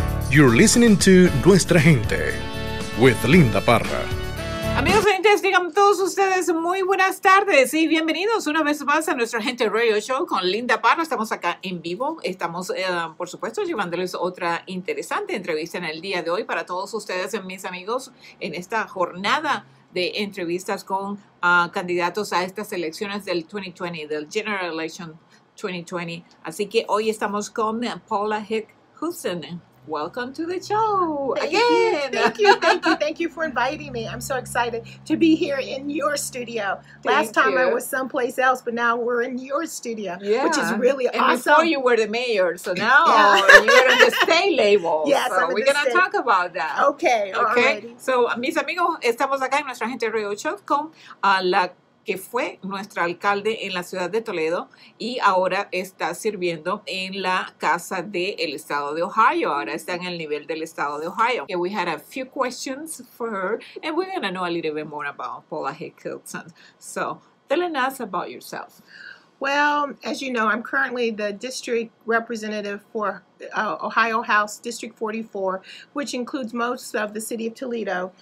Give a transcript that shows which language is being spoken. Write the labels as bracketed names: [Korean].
[English] You're listening to Nuestra Gente with Linda Parra. [Spanish] Amigos oyentes, digan todos ustedes muy buenas tardes y bienvenidos una vez más a Nuestra Gente Radio Show con Linda Parra. Estamos acá en vivo. Estamos, por supuesto, llevándoles otra interesante entrevista en el día de hoy para todos ustedes, mis amigos, en esta jornada de entrevistas con candidatos a estas elecciones del 2020, del General Election 2020. Así que hoy estamos con Paula Hick-Hudson. [English] Welcome to the show again. Thank you for inviting me. I'm so excited to be here in your studio. Last time I was someplace else, but now we're in your studio, which is really awesome. And before you were the mayor, so now you're on the state label. Yes, so we're gonna talk about that. Okay. Alrighty. [Spanish] So, mis amigos, estamos acá en Nuestra Gente Radio Show con la que fue nuestra alcalde en la ciudad de Toledo y ahora está sirviendo en la casa del estado de Ohio. Ahora está en el nivel del estado de Ohio. [English] Okay, we had a few questions for her, and we're going to know a little bit more about Paula Hick-Hudson. So, tell us about yourself. Well, as you know, I'm currently the district representative for Ohio House District 44, which includes most of the city of Toledo.